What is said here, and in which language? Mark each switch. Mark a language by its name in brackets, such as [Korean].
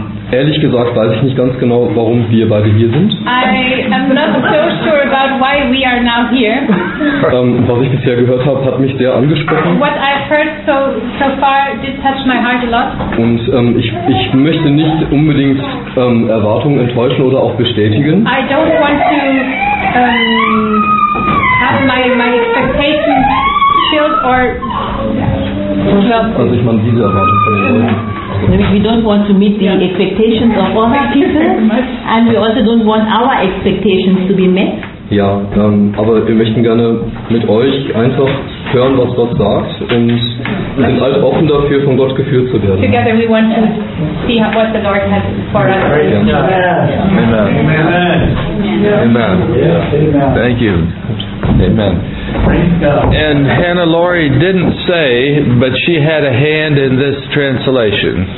[German] Ehrlich gesagt weiß ich nicht ganz genau, warum wir beide hier sind. [English] I am not so sure about why we are now here. [German] Was ich bisher gehört habe, hat mich sehr angesprochen. [English] What I've heard so far did touch my heart a lot. [German] Und ich möchte nicht unbedingt Erwartungen enttäuschen oder auch bestätigen. [English] I don't want to have my expectations filled or. [German] Also ich meine diese Erwartung von den Leuten. [English] We don't want to meet the expectations of other people, and we also don't want our expectations to be met. [German] Ja, aber wir möchten gerne mit euch einfach hören, was Gott sagt, und sind halt offen dafür, von Gott geführt zu werden. [English] Together we want to see what the Lord has for us. Amen. Amen. Amen. Amen. Thank you. Amen. And Hannah Laurie didn't say, but she had a hand in this translation.